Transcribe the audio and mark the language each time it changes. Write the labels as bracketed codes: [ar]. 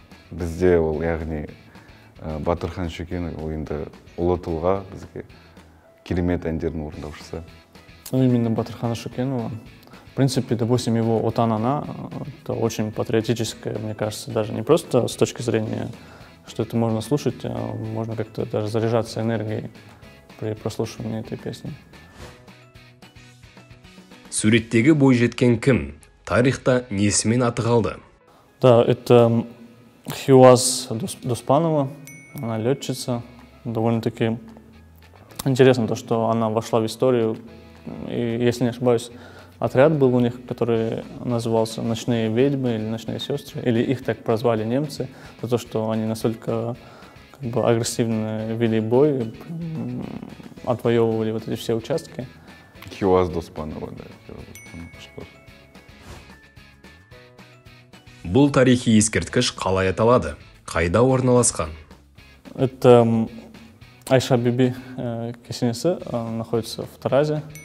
[kk] Бізде ол, яғни, Батырхан Шүкен ойында ұлы тұлға бізге керемет әндерін орындаушысы. [ru] Ну, именно Батырхана Шукенова. В принципе, допустим, его отан-ана, это очень патриотическое, мне кажется, даже не просто с точки зрения, что это можно слушать, а можно как-то даже заряжаться энергией при прослушивании этой песни. [kk] Суреттегі бойжеткен кім? Тарихта несімен аты қалды? [ru] Да, это Хиуаз Доспанова, она летчица. Довольно-таки интересно то, что она вошла в историю, и, если не ошибаюсь, отряд был у них, который назывался «Ночные ведьмы» или «Ночные сестры», или их так прозвали немцы, за то, что они настолько как бы агрессивно вели бой, отвоевывали вот эти все участки. Хиуаз Доспанова, да. Что? [kk] Бұл тарихи ескерткіш қалай аталады? Қайда орналасқан? [ru] Это Айша Биби кесенесі, находится в Таразе.